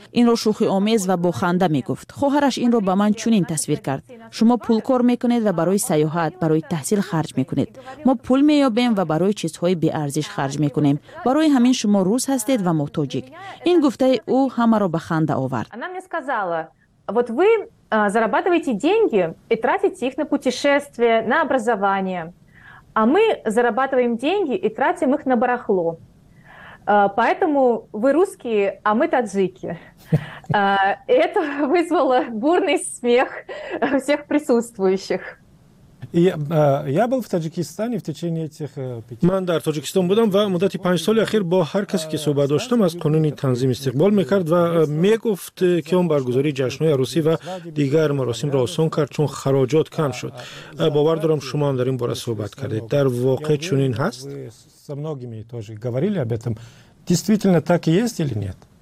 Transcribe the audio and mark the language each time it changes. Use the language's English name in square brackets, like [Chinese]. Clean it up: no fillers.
[Persian] این را شوخی آمیز و بخنده می گفت. خواهرش این را به من چنین تصویر کرد. شما پول کار می کنید و برای سیاحت، برای تحصیل خرج می کنید. ما پول می یابیم و برای چیزهای بی ارزش خرج می کنیم. برای همین شما روس هستید و ما تاجیک. این گفته او همه را بخنده آورد. [Russian] انا می сказала, вот вы зарабатываете деньги и тратите их на путешествия, на образование. А мы зарабатываем деньги и тратим их на барахло. Поэтому вы русские, а мы таджики. Это вызвало бурный смех всех присутствующих. Я был в Таджикистане в течение этих 5 лет. [Tajik] Ман дар Таджикистан будам ва муддати 5 соли ахир бо ҳар касе ки суҳбат доштам аз қонуни танзим истиқбол мекард ва мегуфт ки он баргузори ҷашнҳои арусӣ ва дигар маросимро осон кард чун хароҷот кам шуд. Бовар дорам шумо ҳам дар ин бора суҳбат кардед. Дар воқеъ чунин ҳаст? [Russian] Со многими тоже говорили об этом. Действительно так и есть или нет?